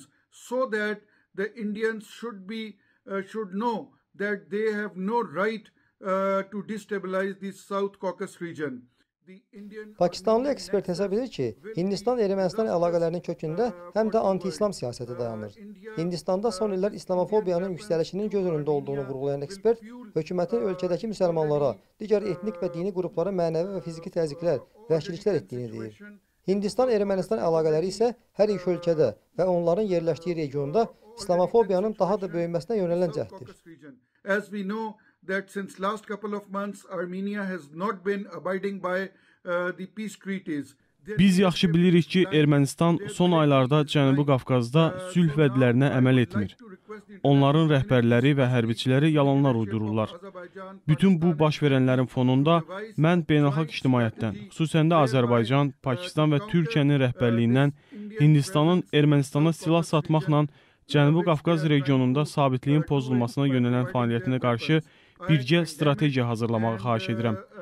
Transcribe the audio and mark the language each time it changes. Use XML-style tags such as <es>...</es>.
<en>So that the Indians should know that they have no right to destabilize the South Caucasus region.</en> <az>Pakistanlı ekspert hesab edir ki, Hindistan Ermənistan əlaqələrinin kökündə həm də anti-İslam siyasəti dayanır. Hindistanda son illər İslamofobiyanın yüksəlişinin göz önündə olduğunu vurğulayan ekspert, hökumətin ölkədəki müsəlmanlara, digər etnik və dini qruplara mənəvi və fiziki təzyiqlər, vəhşiliklər etdiyini deyir. Hindistan-Ermənistan əlaqələri isə hər iki ölkədə və onların yerləşdiyi regionda İslamofobiyanın daha da böyüməsinə yönələn cəhddir.</az> <en>As we know that since last couple of months Armenia has not been abiding by the peace treaties.</en> <az>Biz yaxşı bilirik ki, Ermənistan son aylarda Cənubi Qafqazda sülh vədlərinə əməl etmir. Onların rəhbərləri və hərbiçiləri yalanlar uydururlar. Bütün bu baş verənlərin fonunda mən beynəlxalq ictimaiyyətdən, xüsusən də Azərbaycan, Pakistan və Türkiyənin rəhbərliyindən Hindistanın Ermənistana silah satmaqla Cənubi Qafqaz regionunda sabitliyin pozulmasına yönələn fəaliyyətinə qarşı birgə strategiya hazırlamağı xahiş edirəm.</az>